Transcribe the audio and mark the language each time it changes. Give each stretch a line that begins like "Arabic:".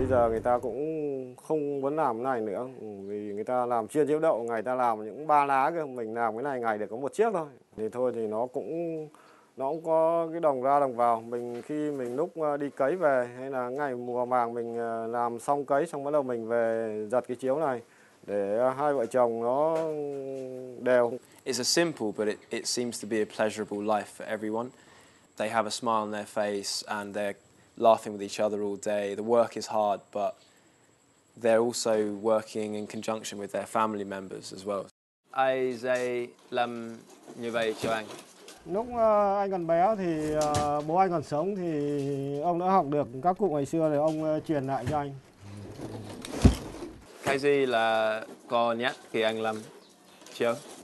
Vietnamese: Người ta cũng không muốn làm cái này nữa vì người ta làm chiên chiếu đậu, người ta làm những ba lá cơ, mình làm cái này ngày được có một chiếc thôi thì nó cũng có cái đồng ra đồng vào. Mình khi mình lúc đi cấy về hay là ngày mùa màng mình làm xong cấy xong bắt đầu mình về giặt cái chiếu này để hai vợ chồng nó đều.
English: It's a simple but it seems to be a pleasurable life for everyone. They have a smile on their face and they're laughing with each other all day. The work is hard, but they're also working in conjunction with their family members as well.
Vietnamese: Ai dạy làm như vậy cho anh? Lúc anh còn bé thì bố anh còn sống thì ông đã học được các cụ ngày xưa rồi ông truyền lại cho anh. Cái gì là khó nhất khi anh làm chưa?